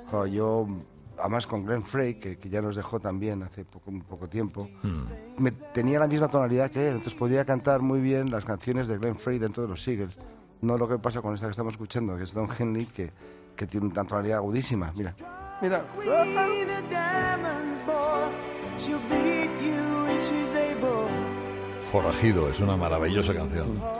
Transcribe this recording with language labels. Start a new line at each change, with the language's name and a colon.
Spanish: Yo, además con Glenn Frey, que ya nos dejó también hace poco tiempo, me tenía la misma tonalidad que él, entonces podía cantar muy bien las canciones de Glenn Frey dentro de los Eagles. No lo que pasa con esta que estamos escuchando, que es Don Henley, que tiene una tonalidad agudísima. Mira, mira.
English: Queen of diamonds, boy, she'll beat you if she's able.
Spanish: Forajido, es una maravillosa canción.